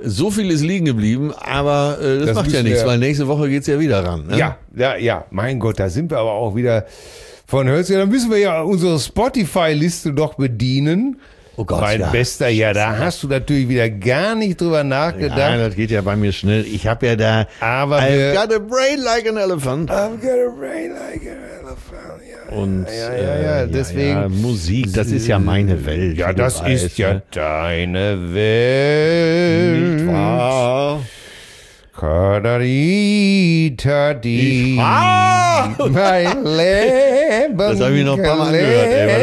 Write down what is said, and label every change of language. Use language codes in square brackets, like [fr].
[de] So viel ist liegen geblieben, aber das macht ja nichts, weil nächste Woche geht's ja wieder ran. Ne? Ja. Mein Gott, da sind wir aber auch wieder von Hölzchen. Dann müssen wir ja unsere Spotify-Liste doch bedienen. Oh Gott, mein Bester, ja, da hast du natürlich wieder gar nicht drüber nachgedacht. Nein, ja, das geht ja bei mir schnell. Ich habe ja da... Aber [en] I've got a brain like an elephant. I've got a brain like an elephant, ja. [de] Und deswegen... Ja, Musik, das ist ja meine Welt. Ja, das ist ja deine Welt. Nicht wahr? Mein Leben. Das habe ich noch ein paar Mal gehört, ey.